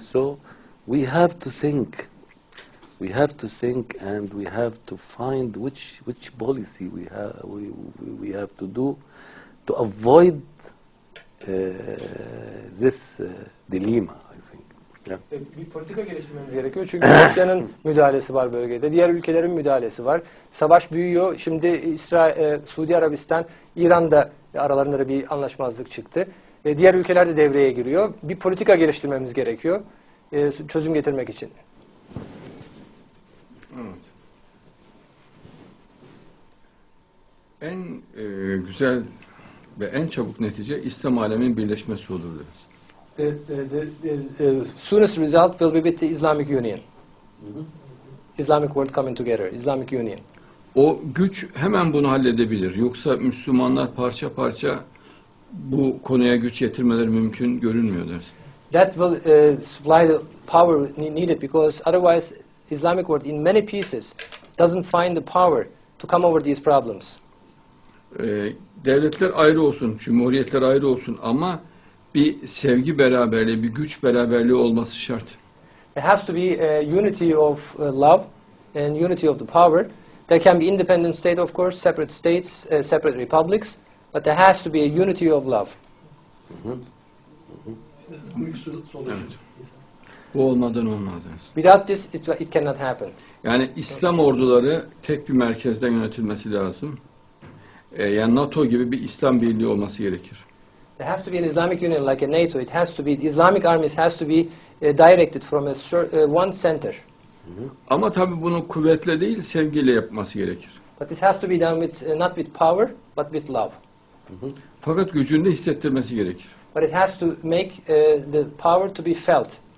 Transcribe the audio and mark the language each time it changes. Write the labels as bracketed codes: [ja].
[en] So we have to think and we have to find which policy we have to do to avoid this dilemma. Yeah. [tr] Bir politika geliştirmemiz gerekiyor çünkü Rusya'nın müdahalesi var bölgede, diğer ülkelerin müdahalesi var. Savaş büyüyor, şimdi Suudi Arabistan, İran'da aralarında da bir anlaşmazlık çıktı. Diğer ülkeler de devreye giriyor. Bir politika geliştirmemiz gerekiyor çözüm getirmek için. Evet. En güzel ve en çabuk netice İslam aleminin birleşmesi olur deriz. [en] Soonest result will be with the Islamic Union. Islamic world coming together, Islamic Union. [tr] O güç hemen bunu halledebilir. Yoksa Müslümanlar parça parça bu konuya güç yetirmeleri mümkün görünmüyor deriz. [en] That will supply the power needed because otherwise Islamic world in many pieces doesn't find the power to come over these problems. [tr] Devletler ayrı olsun, cumhuriyetler ayrı olsun ama bir sevgi beraberliği, bir güç beraberliği olması şart. [en] It has to be a unity of love and unity of the power. There can be independent state of course, separate states, separate republics, but there has to be a unity of love. [tr] Bu olmadan olmaz. [en] Without this it cannot happen. [tr] Yani İslam orduları tek bir merkezden yönetilmesi lazım. Yani NATO gibi bir İslam birliği olması gerekir. [en] There has to be an Islamic Union like a NATO. It has to be, Islamic armies has to be directed from a one center. [tr] Ama tabii bunu kuvvetle değil, sevgiyle yapması gerekir. [en] But this has to be done with, not with power, but with love. [tr] Fakat gücünü hissettirmesi gerekir. [en] But it has to make the power to be felt.